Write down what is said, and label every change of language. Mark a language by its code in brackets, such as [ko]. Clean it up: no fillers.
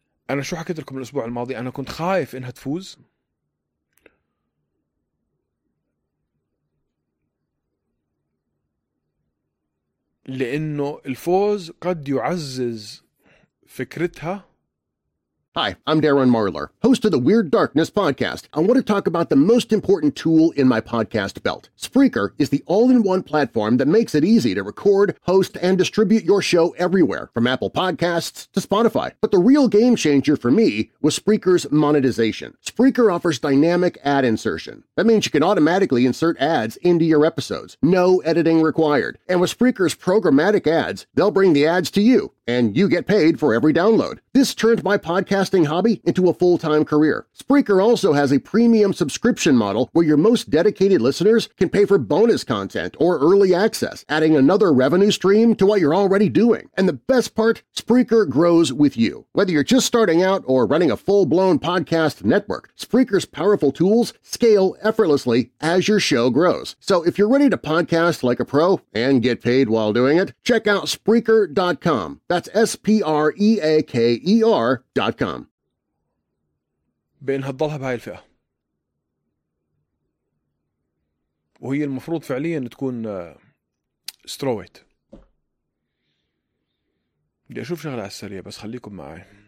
[ar] أنا شو حكيت لكم الأسبوع الماضي؟ أنا كنت خايف إنها تفوز، لأنه الفوز قد يعزز فكرتها. [en] Hi, I'm Darren Marlar, host of the Weird Darkness podcast. I want to talk about the most important tool in my podcast belt. Spreaker is the all-in-one platform that makes it easy to record, host, and distribute your show everywhere, from Apple Podcasts to Spotify. But the real game changer for me was Spreaker's monetization. Spreaker offers dynamic ad insertion. That means you can automatically insert ads into your episodes. No editing required. And with Spreaker's programmatic ads, they'll bring the ads to you, and you get paid for every download. This turned my podcasting hobby into a full-time career. Spreaker also has a premium subscription model where your most dedicated listeners can pay for bonus content or early access, adding another revenue stream to what you're already doing. And the best part, Spreaker grows with you. Whether you're just starting out or running a full-blown podcast network, Spreaker's powerful tools scale effortlessly as your show grows. So if you're ready to podcast like a pro and get paid while doing it, check out Spreaker.com. That's Spreaker.com. [ar] بين هتضلها بهاي الفئة، وهي المفروض فعليا تكون سترويت. بدي أشوف شغلة على السريع بس خليكم معي.